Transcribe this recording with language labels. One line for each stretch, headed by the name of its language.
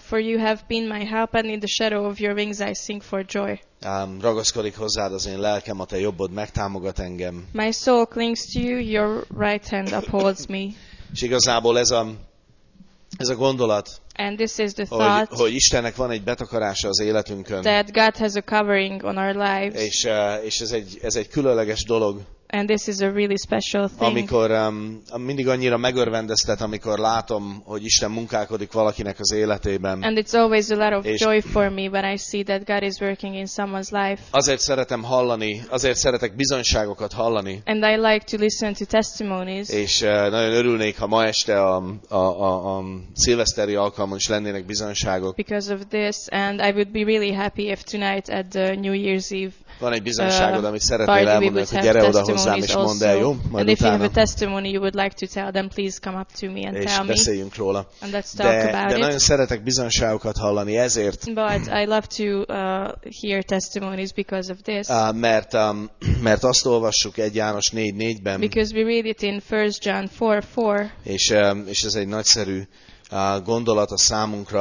English: For you have been my help, and in the shadow of your wings I sing for joy.
Hungarian: Ragaszkodik hozzád az én lelkem, a te jobbod megtámogat engem.
English: My soul clings to you, your right hand upholds me.
Hungarian: És igazából ez a gondolat,
English: and this is the
Hungarian: hogy,
English: thought,
Hungarian: hogy Istennek van egy betakarása az életünkön.
English: That God has a covering on our lives.
Hungarian: És ez egy különleges dolog.
English: And this is a really special thing.
Hungarian: Amikor mindig annyira megörvendeztet, amikor látom, hogy Isten munkálkodik valakinek az életében.
English: And it's always a lot of joy for me when I see that God is working in someone's life.
Hungarian: Azért szeretem hallani, azért szeretek bizonyságokat hallani.
English: And I like to listen to testimonies.
Hungarian: És nagyon örülnék, ha ma este a szilveszteri alkalmon is lennének bizonyságok.
English: Because of this, and I would be really happy if tonight at the New Year's Eve.
Hungarian: Van egy bizonyságod, amit szeretnél elmondani, hogy gyere oda hozzám és mondd el, jó? Majd
English: and if
Hungarian: utána.
English: You have a testimony you would like to tell, then please come up to me and tell me.
Hungarian: És beszéljünk róla.
English: And let's talk about it.
Hungarian: De nagyon szeretek bizonyságokat hallani, ezért.
English: But I love to hear testimonies because of this.
Hungarian: Mert azt olvassuk 1 János 4:4-ben.
English: Because we read it in 1 John 4:4.
Hungarian: És ez egy nagyszerű gondolat a számunkra.